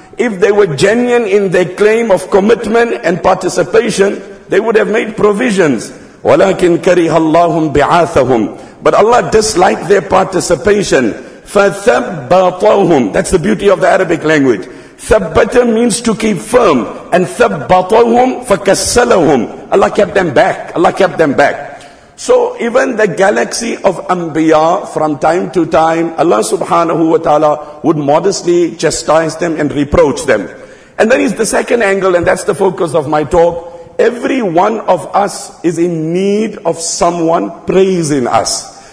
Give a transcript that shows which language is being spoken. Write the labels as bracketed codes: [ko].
[en] If they were genuine in their claim of commitment and participation, they would have made provisions. [ar] وَلَكِنْ كَرِهَ اللَّهُمْ بِعَاثَهُمْ. [en] But Allah disliked their participation. [ar] فَثَبَّطَهُمْ. [en] That's the beauty of the Arabic language. ثَبَّطَ means to keep firm. [ar] And ثَبَّطَهُمْ فَكَسَّلَهُمْ. [en] Allah kept them back. Allah kept them back. So even the galaxy of Anbiya, from time to time, Allah subhanahu wa ta'ala would modestly chastise them and reproach them. And then is the second angle, and that's the focus of my talk. Every one of us is in need of someone praising us.